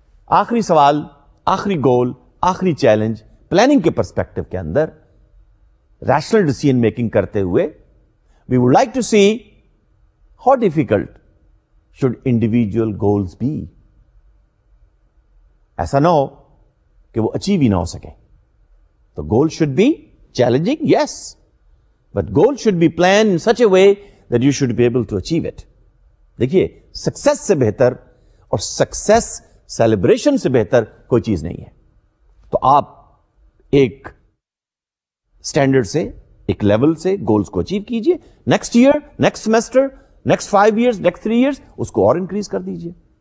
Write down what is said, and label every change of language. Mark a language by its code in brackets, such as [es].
[ur] آخری سوال, آخری گول, آخری چیلنج پلاننگ کے پرسپیکٹو کے اندر ریشنل ڈیسیژن میکنگ کرتے ہوئے, [en] we would like to see how difficult should individual goals be, [ur] ایسا نہ ہو کہ وہ اچیو ہی نہ ہو سکے. [en] تو goal should be challenging, yes, but goal should be plan in such a way that you should be able to achieve it. [ur] دیکھیے, success سے بہتر اور سکسیس سیلیبریشن سے بہتر کوئی چیز نہیں ہے. تو آپ ایک اسٹینڈرڈ سے, ایک لیول سے گولز کو اچیو کیجئے, next year, next semester, next 5 years, next 3 years, اس کو اور انکریز کر دیجئے.